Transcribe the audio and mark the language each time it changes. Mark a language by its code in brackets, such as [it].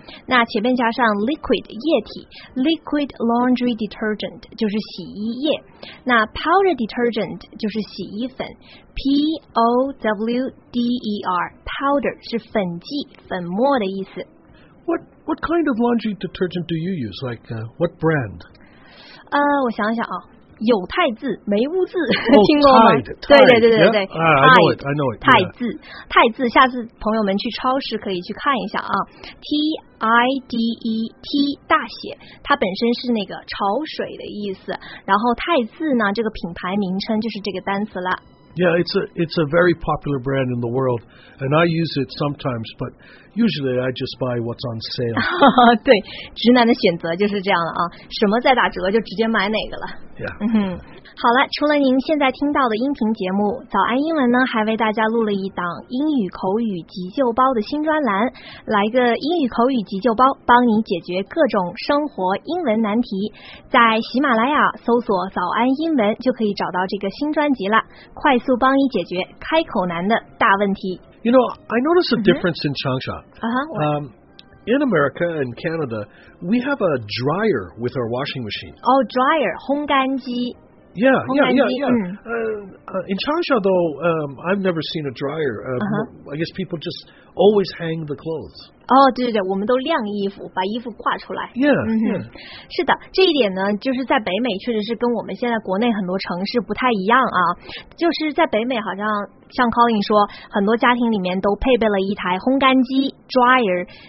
[zh] 那前面加上 liquid, 液体 [en] liquid laundry detergent, [zh] 就是洗衣液。那 [en] powder detergent, [zh] 就是洗衣粉 P-O-W-D-E-R, powder, 是粉剂粉末的意思。 [en] What kind of laundry detergent do you use? Like, what brand? [zh] 我想想啊，有汰渍、梅污渍，听过吗？ [en] Tide, [zh] 对、 [en] yeah? Tide, I know it. [zh] 汰渍，汰渍，下次朋友们去超市可以去看一下啊。 T-I-D-E-T 大写，它本身是那个潮水的意思。然后汰渍呢，这个品牌名称就是这个单词了。 [en] Yeah, it's a very popular brand in the world, and I use it sometimes, but usually I just buy what's on sale. [zh] 对，直男的选择就是这样了啊，什么在打折就直接买哪个了。 [en] Yeah. [zh] 好了，除了您现在听到的音频节目，早安英文呢，还为大家录了一档英语口语急救包的新专栏，来个英语口语急救包，帮你解决各种生活英文难题。在喜马拉雅搜索早安英文，就可以找到这个新专辑了，快速帮你解决开口难的大问题。 [en] You know, I notice a difference in Changsha. In America and Canada, we have a dryer with our washing machine. Oh, dryer, 烘干机。 Yeah. In Changsha, though, I've never seen a dryer. I guess people just always hang the clothes. [zh] 对，我们都晾衣服，把衣服挂出来。 [en] Yeah. [zh] 是的，这一点呢，就是在北美确实是跟我们现在国内很多城市不太一样啊。就是在北美，好像像 Colin 说，很多家庭里面都配备了一台烘干机 dryer。